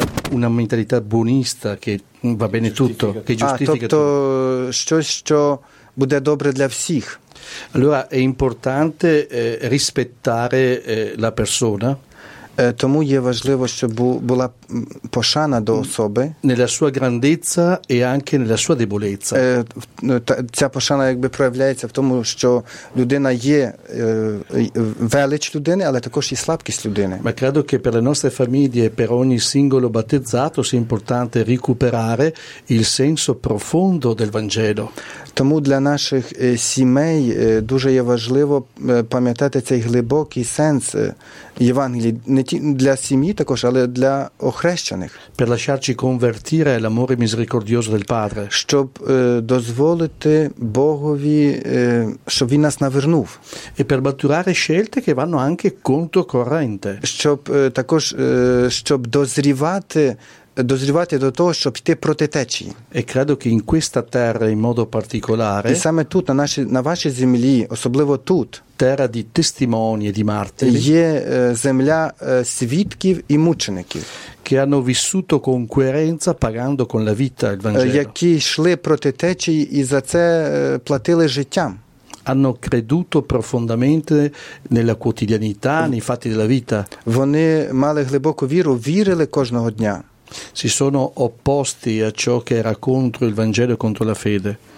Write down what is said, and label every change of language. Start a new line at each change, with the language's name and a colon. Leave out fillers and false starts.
Italian: una mentalità buonista che va bene tutto, che giustifica
Ukrainian: Тобто щось, що буде добре для всіх.
Italian: Allora è importante rispettare la persona.
Ukrainian: Тому є важливо, щоб була пошана до особи.
Italian: Nella sua grandezza e anche nella sua debolezza.
Ukrainian: Ця пошана якби проявляється в тому, що людина є велич людини, але також і слабкість людини.
Italian: Ma credo che per le nostre famiglie, per ogni singolo battezzato, sia importante recuperare il senso profondo del Vangelo.
Ukrainian: Тому для наших сімей дуже є важливо пам'ятати цей глибокий сенс Євангелії. Не для сім'ї також, але для охрещених.
Italian: Per lasciarci convertire all'amore misericordioso del Padre.
Ukrainian: Щоб дозволити Богові, щоб Він нас навернув.
Italian: E per maturare scelte che vanno anche conto corrente.
Ukrainian: Щоб також, щоб дозрівати, дозрівати до того, щоб йти проти течії.
Italian: E credo che in questa terra in modo particolare.
Ukrainian: І саме тут, на вашій землі, особливо тут.
Italian: Terra di testimoni e di martiri.
Ukrainian: Є земля свідків і мучеників.
Italian: Che hanno vissuto con coerenza pagando con la vita il Vangelo.
Ukrainian: Які йшли проти течії і за це платили життям.
Italian: Hanno creduto profondamente nella quotidianità, nei fatti della vita.
Ukrainian: Вони мали глибоку віру, вірили кожного дня.
Italian: Si sono opposti a ciò che era contro il Vangelo e contro la fede.